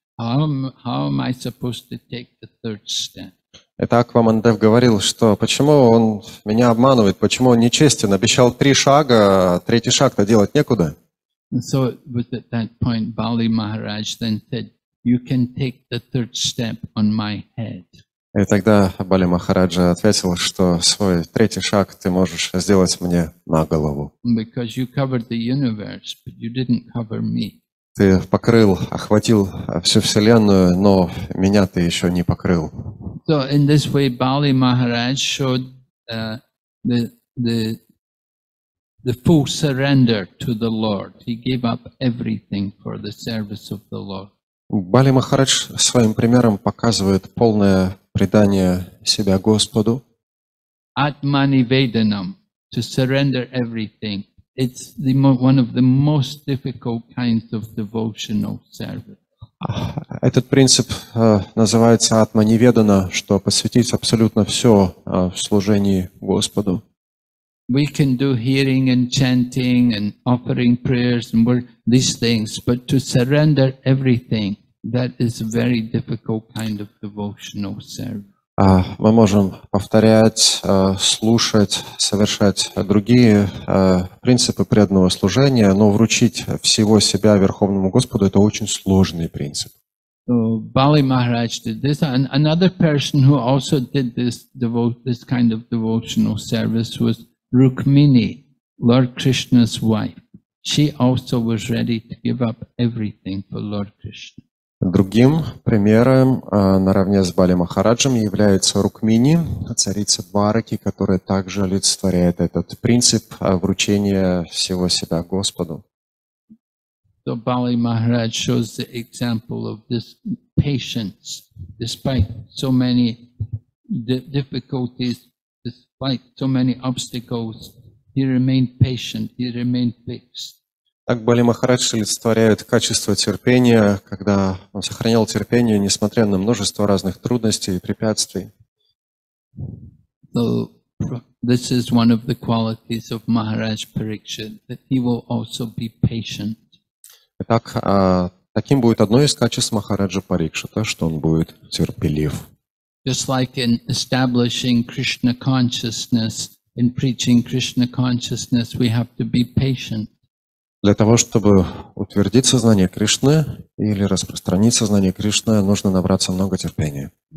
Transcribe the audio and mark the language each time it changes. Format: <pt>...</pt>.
<en>How am I supposed to take the 3rd step?</en> <ru>Итак, Vamanadev говорил, что почему он меня обманывает, почему он нечестен, обещал 3 шага, 3-й шаг-то делать некуда.</ru> <en>So at that point Bali Maharaj then said, you can take the 3rd step on my head.</en> <ru>И тогда Бали Махараджа ответил, что свой третий шаг ты можешь сделать мне на голову.</ru> <en>Because you covered the universe, but you didn't cover me.</en> <ru>Ты покрыл, охватил всю Вселенную, но меня ты еще не покрыл.</ru> <en>So in this way, Bali Maharaj showed the full surrender to the Lord. He gave up everything for the service of the Lord.</en> <ru>Бали Махарадж своим примером показывает полное предание себя Господу.</ru> <en>Атмани веданам, to surrender everything. It's the one of the most difficult kinds of devotional service.</en> <ru>Этот принцип называется атмани ведана, что посвятить абсолютно все в служении Господу.</ru> <en>We can do hearing and chanting and offering prayers and work, these things, but to surrender everything, that is a very difficult kind of devotional service.</en> <ru>Мы можем повторять, слушать, совершать другие принципы преданного служения, но вручить всего себя Верховному Господу — это очень сложный принцип.</ru> <en>So, Bali Maharaj did this, and another person who also did this kind of devotional service was Rukmini, Lord Krishna's wife. She also was ready to give up everything for Lord Krishna.</en> <ru>Другим примером наравне с Бали Махараджем является Рукмини, царица Двараки, которая также олицетворяет этот принцип вручения всего себя Господу.</ru> <en>So Bali Maharaj shows the example of this patience, despite so many difficulties, despite so many obstacles, he remained patient, he remained fixed.</en> <ru>Так Бали Махарадж олицетворяет качество терпения, когда он сохранял терпение, несмотря на множество разных трудностей и препятствий.</ru> <en>So, this is one of the qualities of Maharaj Parikshit, that he will also be patient.</en> <ru>Итак, таким будет одно из качеств Махараджа Парикшита, что он будет терпелив.</ru> <en>Just like in establishing Krishna consciousness, in preaching Krishna consciousness, we have to be patient.</en> <ru>Для того, чтобы утвердить сознание Кришны или распространить сознание Кришны, нужно набраться много терпения.</ru>